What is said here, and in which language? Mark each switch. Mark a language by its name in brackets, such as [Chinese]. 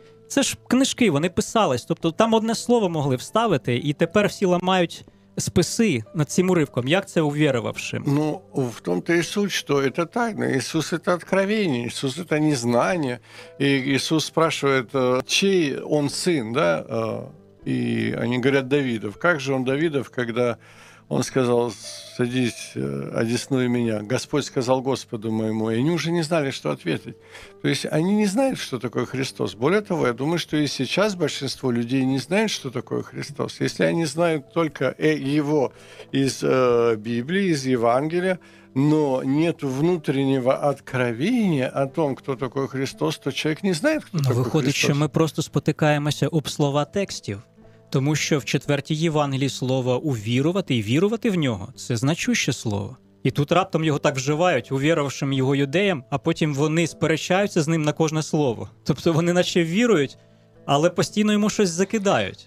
[Ukrainian] Це ж книжки, вони писались. Тобто там одне слово могли вставити, і тепер всі ламають списи над цим уривком, як це увірувавшим? Ну, в тому-то і суть, що це тайна. Ісус – це откровення, Ісус – це незнання. І Ісус спрашує, чий він син, да? І вони кажуть, Давидов. Як же він Давидов, коли [Russian] Он сказал, садись, одесную меня. Господь сказал Господу моему. И они уже не знали, что ответить. То есть они не знают, что такое Христос. Более того, я думаю, что и сейчас большинство людей не знают, что такое Христос. Если они знают только его из Библии, из Евангелия, но нет внутреннего откровения о том, кто такой Христос, то человек не знает, кто такой Христос. [Ukrainian] Виходить, що ми просто спотикаємося об слова текстів. Тому що в четвертій Євангелії слово «увірувати» і «вірувати в нього» – це значуще слово. І тут раптом його так вживають, увірувавшим його юдеям, а потім вони сперечаються з ним на кожне слово. Тобто вони наче вірують, але постійно йому щось закидають.